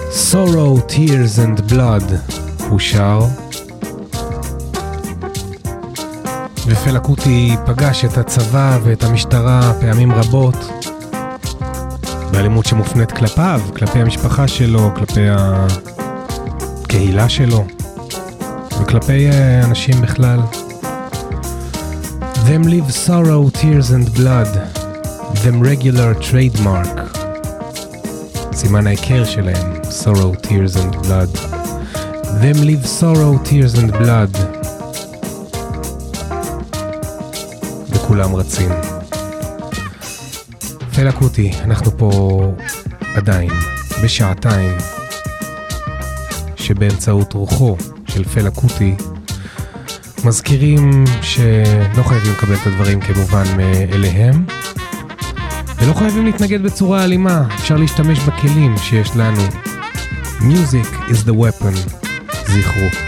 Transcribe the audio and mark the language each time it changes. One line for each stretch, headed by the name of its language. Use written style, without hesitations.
Hebrew: Sorrow, Tears and Blood הוא שר, ופלה קוטי פגש את הצבא ואת המשטרה פעמים רבות באלימות שמופנית כלפיו, כלפי המשפחה שלו, כלפי הקהילה שלו וכלפי אנשים בכלל.
English: Them live sorrow, tears and blood, them regular trademark,
Hebrew: סימן העיקר שלהם,
English: sorrow, tears and blood, them live sorrow, tears and blood,
Hebrew: וכולם רצים. פלה קוטי, אנחנו פה עדיין בשעתיים שבאמצעות רוחו של פלה קוטי מזכירים שלא חייבים לקבל את הדברים כמובן מאליהם, ולא חייבים להתנגד בצורה אלימה, אפשר להשתמש בכלים שיש לנו.
English: Music is the weapon,
Hebrew: זכרו.